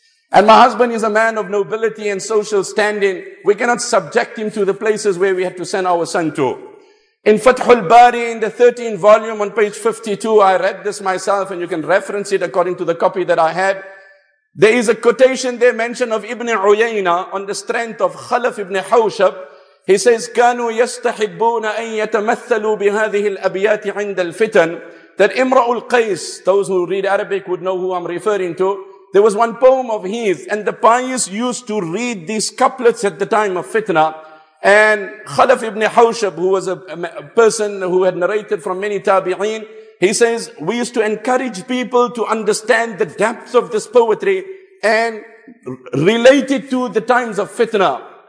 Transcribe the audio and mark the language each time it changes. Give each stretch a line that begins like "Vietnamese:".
English: And my husband is a man of nobility and social standing. We cannot subject him to the places where we had to send our son to. In Fathul Bari, in the 13th volume on page 52, I read this myself and you can reference it according to the copy that I had. There is a quotation there mentioned of Ibn Uyayna on the strength of Khalaf ibn Hawshab. He says,
Arabic: كانوا يستحبون أن يتمثلوا بهذه الأبيات عند الفتن.
English: That Imra al-Qais, those who read Arabic would know who I'm referring to. There was one poem of his and the pious used to read these couplets at the time of fitna. And Khalaf ibn Hawshab, who was a person who had narrated from many tabi'een, he says, we used to encourage people to understand the depths of this poetry and relate it to the times of fitna.